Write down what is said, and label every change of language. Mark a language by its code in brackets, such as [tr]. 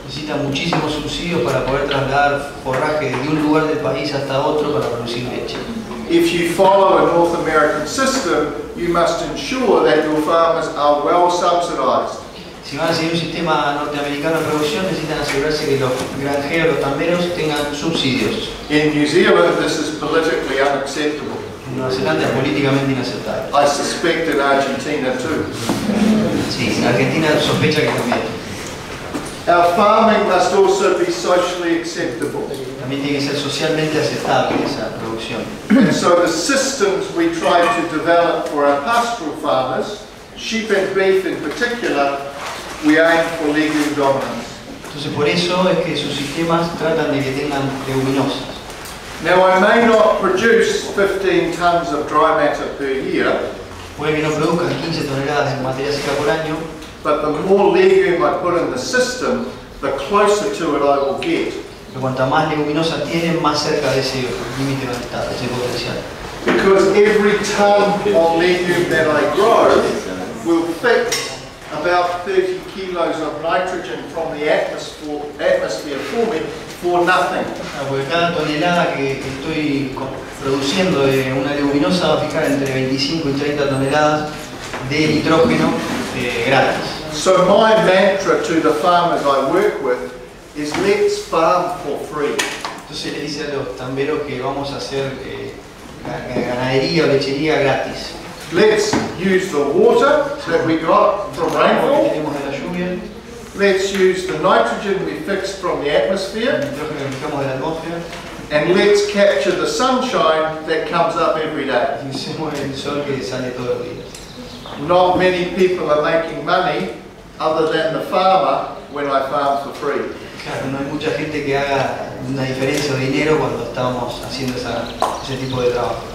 [es] Necesita muchísimos subsidios para poder trasladar forraje de un lugar del país hasta otro para producir leche. [en] If you follow a North American system, you must ensure that your farmers are well subsidized. [es] Si van a seguir un sistema norteamericano de producción, necesitan asegurarse que los granjeros, los tamberos, tengan subsidios. [en] In New Zealand, this is politically unacceptable. [es] En Nueva Zelanda es políticamente inaceptable. [en] I suspect in Argentina too. [es] Sí, Argentina sospecha que también. [en] Our farming must also be socially acceptable. [es] También tiene que ser socialmente aceptable esa producción. [en] So the systems we try to develop for our pastoral farmers, sheep and beef in particular, we aim for legume dominance. [es] Entonces por eso es que sus sistemas tratan de que tengan leguminosas. [en] Now I may not produce 15 tons of dry matter per year. [es] Puede que no produzcan 15 toneladas de materia seca por año. [en] But the more legume I put in the system, the closer to it I will get. [es] Cuanta más leguminosa tiene, más cerca de ese límite va a estar, ese potencial. [en] Because every ton of legume that I grow will fix about 30 kilos of nitrogen from the atmosphere for me for nothing. [es] Porque cada tonelada que estoy produciendo de una leguminosa va a fijar entre 25 y 30 toneladas de nitrógeno gratis. [en] So my mantra to the farmers I work with is let's farm for free. [es] Entonces le dice a los tamberos que vamos a hacer ganadería o lechería gratis. [en] Let's use the water that we got from rainfall. [es] Que tenemos de la lluvia. [en] Let's use the nitrogen we fixed from the atmosphere. [es] Nitrógeno que fijamos de la atmósfera. [en] And let's capture the sunshine that comes up every day. [es] Y usemos el sol que sale todos los días. [en] Not many people are making money other than the farmer when I farm for free. [es] Claro, no hay mucha gente que haga una diferencia de dinero cuando estamos haciendo ese tipo de trabajo.